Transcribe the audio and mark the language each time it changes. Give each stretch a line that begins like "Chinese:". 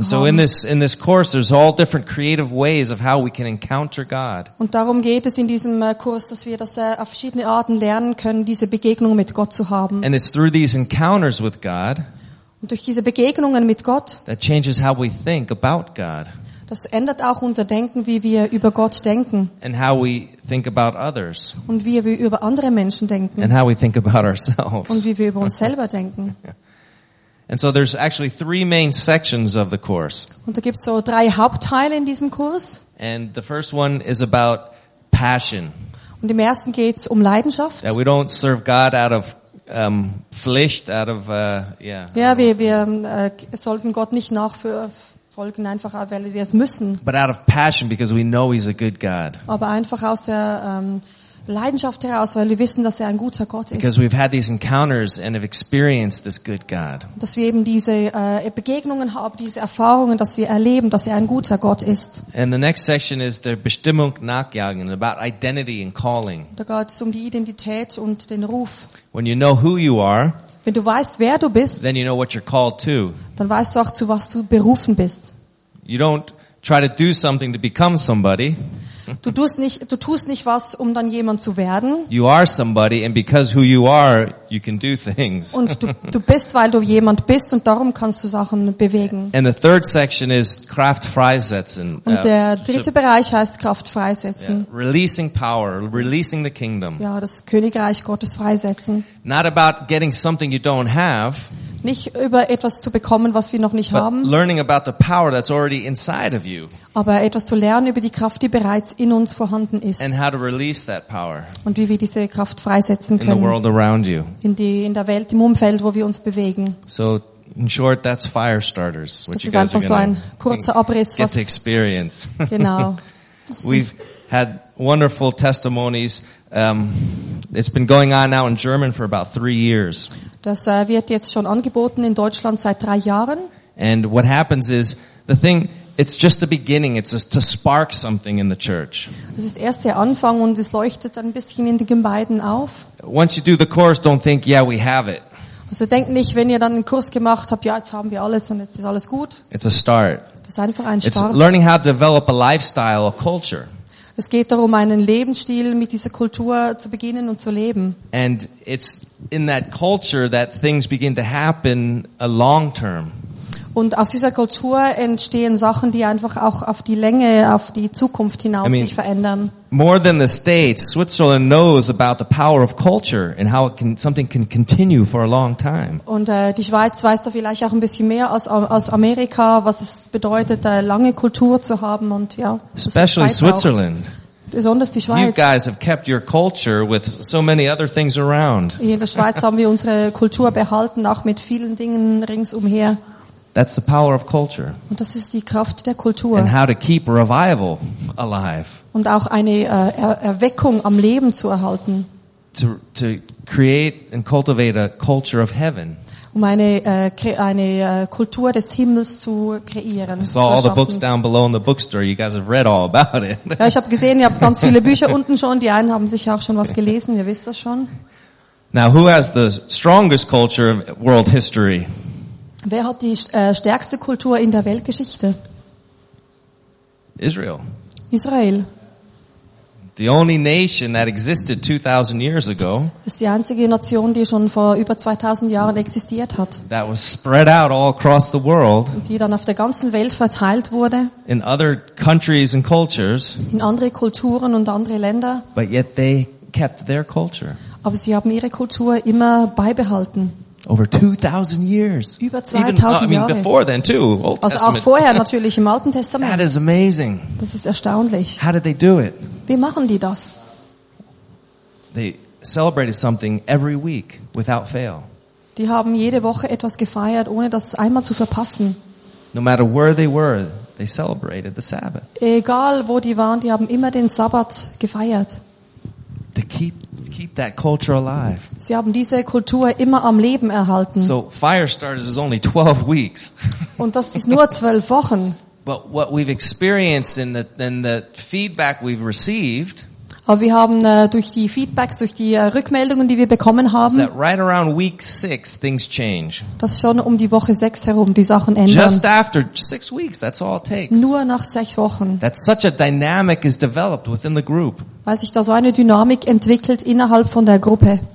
English: haben. So in this course, there's all different creative ways of how we can encounter God.
German: Und darum geht es in diesem Kurs, dass wir das auf verschiedene Arten lernen können, diese Begegnung mit Gott zu haben.
English: And it's through these encounters with God.
German: Und durch diese Begegnungen mit Gott.
English: That changes how we think about God.
German: Das ändert auch unser Denken, wie wir über Gott denken.
English: And how we think about others.
German: Und wie wir über andere Menschen denken.
English: And how we think about ourselves.
German: Und wie wir über uns selber denken.
English: And so there's actually three main sections of the course.
German: Und da gibt's so drei Hauptteile in diesem Kurs.
English: And the first one is about passion.
German: Und im ersten geht's um Leidenschaft.
English: Yeah, we don't serve God out of Pflicht, out of
German: Ja, wir sollten Gott nicht nachfolgen einfach, weil wir es müssen.
English: But out of passion, because we know He's a good God.
German: Aber einfach aus der Leidenschaft heraus, weil wir wissen, dass er ein guter Gott ist.
English: Because we've had these encounters and have experienced this good God.
German: Dass wir eben diese Begegnungen haben, diese Erfahrungen, dass wir erleben, dass er ein guter Gott ist.
English: And the next section is
German: der Bestimmung nachjagen,
English: about identity and calling.
German: Da geht es um die Identität und den Ruf.
English: When you know who you are,
German: wenn du weißt, wer du bist,
English: then you know what you're called to.
German: Dann weißt du auch, zu was du berufen bist.
English: You don't try to do something to become somebody.
German: Du tust nicht was, um dann jemand zu werden.
English: You are somebody, and because who you are, you can do things.
German: Und du bist, weil du jemand bist, und darum kannst du Sachen bewegen.
English: And the third section is
German: Kraft freisetzen. Und der dritte Bereich heißt Kraft freisetzen. Yeah.
English: Releasing power, releasing the kingdom.
German: Ja, das Königreich Gottes freisetzen.
English: Not about getting something you don't have.
German: Nicht über etwas zu bekommen, was wir noch nicht haben.
English: Learning about the power that's already inside of you.
German: Aber etwas zu lernen über die Kraft, die bereits in uns vorhanden ist.
English: And how to release that power.
German: Und wie wir diese Kraft freisetzen können.
English: In the world around you.
German: In der Welt, im Umfeld, wo wir uns bewegen.
English: So, in short, that's fire starters.
German: Das ist einfach so ein kurzer Abriss, was
English: experience.
German: Genau.
English: We've had wonderful testimonies. It's been going on now in German for about 3 years.
German: Das wird jetzt schon angeboten in Deutschland seit 3 Jahren.
English: And what happens is the thing, it's just a beginning, it's just to spark something in the church.
German: Es ist erst der Anfang und es leuchtet ein bisschen in den Gemeinden auf.
English: Once you do the course, don't think, yeah, we have it.
German: Also denk nicht, wenn ihr dann einen Kurs gemacht habt, ja, jetzt haben wir alles und jetzt ist alles gut.
English: It's a start.
German: Das ist einfach ein
English: it's
German: Start.
English: Learning how to develop a lifestyle, a culture.
German: Es geht darum, einen Lebensstil mit dieser Kultur zu beginnen und zu leben.
English: And it's in that culture that things begin to happen a long term.
German: Und aus dieser Kultur entstehen Sachen, die einfach auch auf die Länge, auf die Zukunft hinaus sich verändern.
English: More than the States, Switzerland knows about the power of culture and how it can, something can continue for a long time.
German: Und die Schweiz weiß da vielleicht auch ein bisschen mehr als Amerika, was es bedeutet, eine lange Kultur zu haben und ja.
English: Especially Switzerland.
German: Besonders die Schweiz.
English: You guys have kept your culture with so many other things around.
German: In der Schweiz haben wir unsere Kultur behalten, auch mit vielen Dingen ringsumher.
English: That's the power of culture.
German: Und das ist die Kraft der Kultur.
English: And how to keep revival alive.
German: Und auch eine Erweckung am Leben zu erhalten.
English: To create and cultivate a culture of heaven.
German: Um eine Kultur des Himmels zu kreieren.
English: I saw all the books down below in the bookstore. You guys have read all about it.
German: Ja, ich habe gesehen, ihr habt ganz viele Bücher unten schon. Die einen haben sicher auch schon was gelesen. Ihr wisst das schon.
English: Now, who has the strongest culture in world history?
German: Wer hat die stärkste Kultur in der Weltgeschichte?
English: Israel.
German: Israel.
English: The only nation that existed 2000 years ago.
German: Ist die einzige Nation, die schon vor über 2000 Jahren existiert hat.
English: That was spread out all across the world.
German: Die dann auf der ganzen Welt verteilt wurde.
English: In other countries and cultures.
German: In andere Kulturen und andere Länder.
English: But yet they kept their culture.
German: Aber sie haben ihre Kultur immer beibehalten.
English: Over 2000 years.
German: Über 2000 Jahre.
English: Before then too, Old
German: Testament. Also auch vorher natürlich im Alten Testament.
English: That is amazing.
German: Das ist erstaunlich.
English: How did they do it?
German: Wie machen die das?
English: They celebrated something every week without fail.
German: Die haben jede Woche etwas gefeiert, ohne das einmal zu verpassen.
English: No matter where they were, they celebrated the Sabbath.
German: Egal wo die waren, die haben immer den Sabbat gefeiert.
English: To keep that culture alive.
German: Sie haben diese Kultur immer am Leben erhalten.
English: So fire starters is only 12 weeks.
German: Und das ist nur 12 Wochen.
English: But what we've experienced in the feedback we've received.
German: Aber wir haben durch die Feedbacks, durch die Rückmeldungen, die wir bekommen haben,
English: that right around week 6 things change.
German: Dass schon um die Woche 6 herum die Sachen ändern.
English: Just after 6 weeks, that's all it takes.
German: Nur nach 6 Wochen.
English: That such a dynamic is developed within the group.
German: Weil sich da so eine Dynamik entwickelt innerhalb von der Gruppe.